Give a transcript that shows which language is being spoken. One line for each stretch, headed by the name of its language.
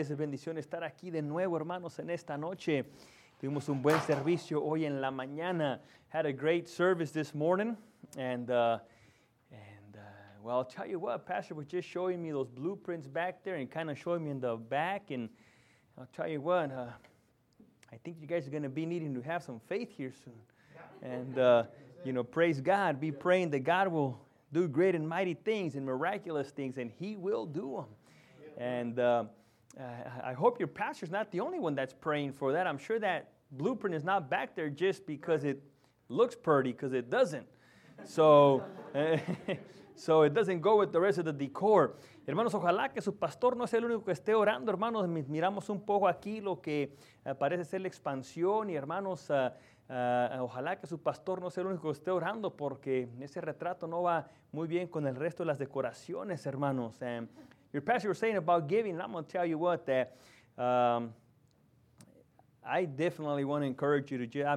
Spanish: Es bendición estar aquí de nuevo, hermanos, en esta noche. Tuvimos un buen servicio hoy en la mañana.
English: Had a great service this morning. And I'll tell you what, Pastor was just showing me those blueprints back there and kind of showing me in the back. And I'll tell you what, I think you guys are going to be needing to have some faith here soon. And praise God. Be praying that God will do great and mighty things and miraculous things, and He will do them. And I hope your pastor's not the only one that's praying for that. I'm sure that blueprint is not back there just because it looks pretty, because it doesn't. So it doesn't go with the rest of the decor.
Spanish: Hermanos, ojalá que su pastor no sea el único que esté orando. Hermanos, miramos un poco aquí lo que parece ser la expansión. Y hermanos, ojalá que su pastor no sea el único que esté orando, porque ese retrato no va muy bien con el resto de las decoraciones, hermanos.
English: Your pastor was saying about giving, and I'm going to tell you what, that I definitely want to encourage you to give.